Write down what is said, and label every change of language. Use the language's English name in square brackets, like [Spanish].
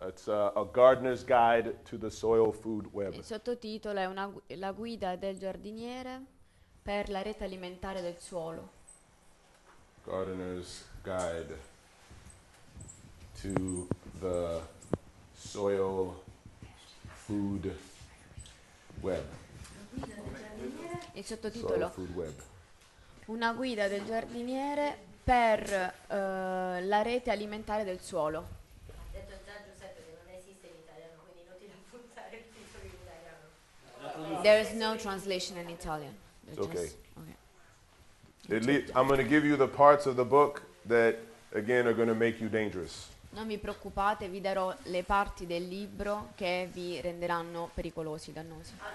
[English] It's a gardener's guide to the soil food web. [Italian] Il sottotitolo è la guida del giardiniere per la rete alimentare del suolo. [English] Gardener's guide to the soil food web. [Italian] Il sottotitolo. [English] Soil food web. [Italian] Una guida del giardiniere per la rete alimentare del suolo. Ha detto già Giuseppe che non esiste in italiano, quindi inutile puntare il titolo in italiano. [English] There is no translation in Italian. It's okay. I'm going to give you the parts of the book that, again, are going to make you dangerous. [Italian] Non vi preoccupate, vi darò le parti del libro che vi renderanno pericolosi, dannosi.